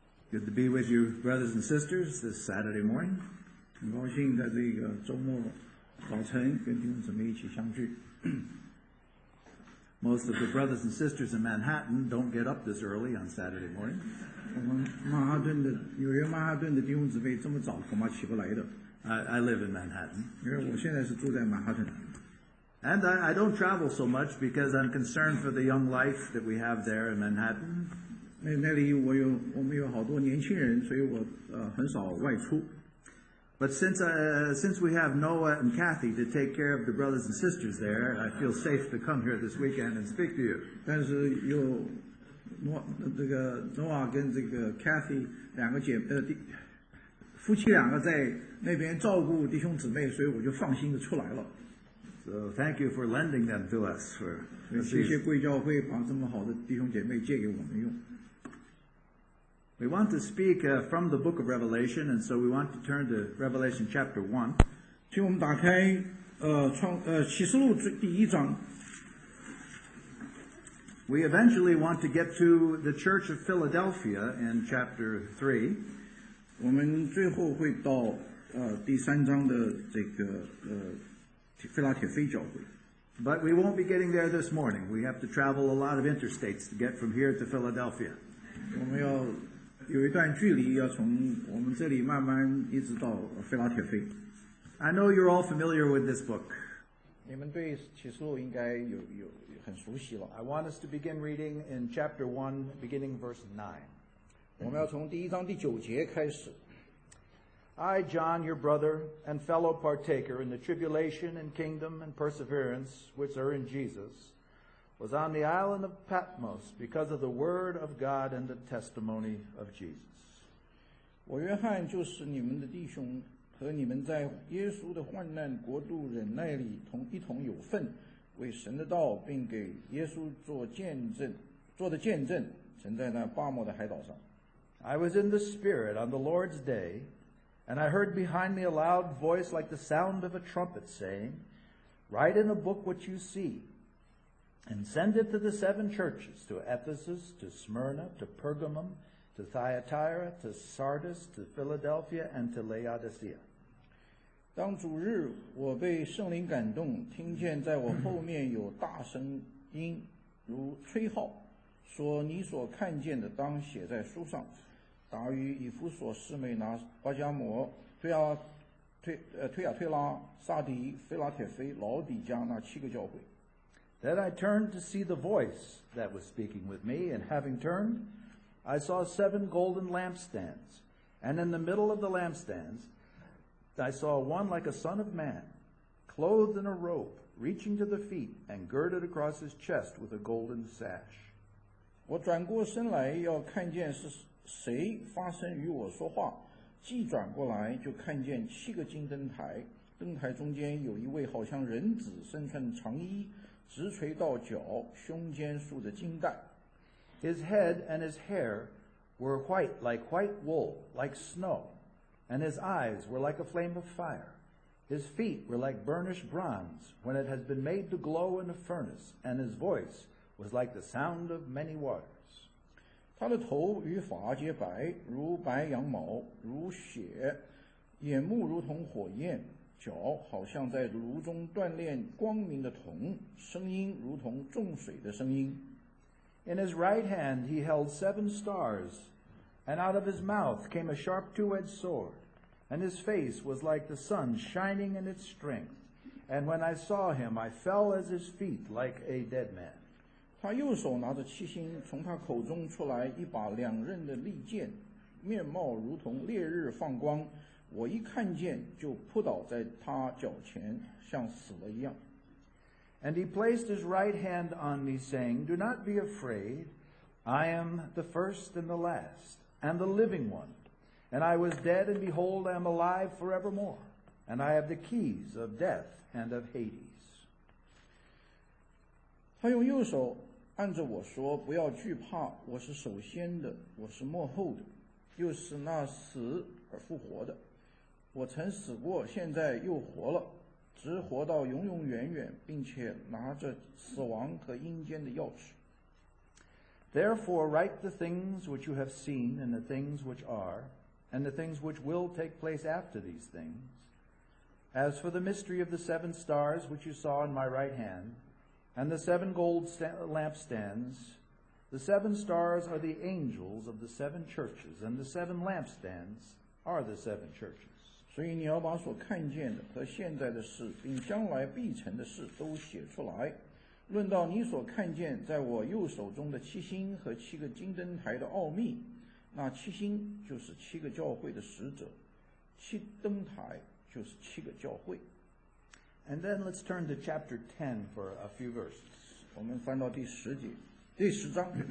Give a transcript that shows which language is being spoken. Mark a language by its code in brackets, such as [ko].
[en] Good to be with you, brothers and sisters, this Saturday morning. [zh] 很高兴在这个周末早晨跟弟兄姊妹一起相聚。 [en] Most of the brothers and sisters in Manhattan don't get up this early on Saturday morning. [zh] 我们曼哈顿的纽约曼哈顿的弟兄姊妹这么早恐怕起不来的。 [en] I live in Manhattan. [zh] 因为我现在是住在曼哈顿。 [en] And I don't travel so much because I'm concerned for the young life that we have there in Manhattan. [zh] 那里我们有好多年轻人，所以我很少外出。 [en] But since we have Noah and Kathy to take care of the brothers and sisters there, I feel safe to come here this weekend and speak to you. [zh] 但是有诺这个 Noah 跟这个 Kathy 两个姐夫妻两个在那边照顾弟兄姊妹，所以我就放心的出来了。 [en] So thank you for lending them to us. [zh] 谢谢贵教会把这么好的弟兄姐妹借给我们用。 [en] We want to speak from the book of Revelation, and so we want to turn to Revelation chapter 1. [zh] 请我们打开启示录第一章。 [en] We eventually want to get to the church of Philadelphia in chapter 3. [zh] 我们最后会到第三章的这个腓拉铁非教会。 [en] But we won't be getting there this morning. We have to travel a lot of interstates to get from here to Philadelphia. [zh] 我们要有一段距离要从我们这里慢慢一直到腓拉铁非。 [en] I know you're all familiar with this book. [zh] 你们对启示录应该有很熟悉了。 [en] I want us to begin reading in chapter 1, beginning verse 9. [zh] 我们要从第一章第九节开始。 [en] I, John, your brother and fellow partaker in the tribulation and kingdom and perseverance which are in Jesus, was on the island of Patmos because of the word of God and the testimony of Jesus. [zh] 我约翰就是你们的弟兄，和你们在耶稣的患难国度忍耐里一同有份，为神的道并给耶稣做的见证，曾在那巴莫的海岛上。 [en] I was in the Spirit on the Lord's day, and I heard behind me a loud voice like the sound of a trumpet saying, Write in a book what you see. And send it to the seven churches, to Ephesus, to Smyrna, to Pergamum, to Thyatira, to Sardis, to Philadelphia, and to Laodicea. [zh] 当主日，我被圣灵感动，听见在我后面有大声音，如吹号，说你所看见的当写在书上，打于以弗所四美拿巴加摩，推亚推拉，萨迪，菲拉铁菲，老底加那七个教会。 [en] Then I turned to see the voice that was speaking with me, and having turned, I saw seven golden lampstands, and in the middle of the lampstands, I saw one like a son of man, clothed in a robe, reaching to the feet, and girded across his chest with a golden sash. [zh] 我转过身来要看见是谁发声与我说话，既转过来就看见七个金灯台，灯台中间有一位好像人子，身穿长衣。直垂到脚，胸间竖着金带。 [en] His head and his hair were white like white wool, like snow, and his eyes were like a flame of fire. His feet were like burnished bronze when it has been made to glow in a furnace, and his voice was like the sound of many waters. [zh] 他的头与发洁白，如白羊毛，如血；眼目如同火焰。脚好像在炉中锻炼光明的铜，声音如同重水的声音。 [en] In his right hand he held seven stars, and out of his mouth came a sharp two-edged sword, and his face was like the sun shining in its strength. And when I saw him, I fell at his feet like a dead man. [zh] 他右手拿着七星，从他口中出来一把两刃的利剑，面貌如同烈日放光。我一看见就扑倒在他脚前，像死了一样。 [en] And he placed his right hand on me, saying, Do not be afraid. I am the first and the last, and the living one. And I was dead, and behold, I am alive forevermore. And I have the keys of death and of Hades. [zh] 他用右手按着我说，不要惧怕，我是首先的，我是末后的，又是那死而复活的。我曾死过，现在又活了，直活到永永远远，并且拿着死亡和阴间的钥匙。 [en] Therefore, write the things which you have seen, and the things which are, and the things which will take place after these things. As for the mystery of the seven stars which you saw in my right hand, and the seven gold lampstands, the seven stars are the angels of the seven churches, and the seven lampstands are the seven churches. [zh] 所以你要把所看见的和现在的事并将来必成的事都写出来。论到你所看见在我右手中的七星和七个金灯台的奥秘，那七星就是七个教会的使者，七灯台就是七个教会。 [en] And then let's turn to chapter 10 for a few verses. [zh] 我们翻到第十节，第十章。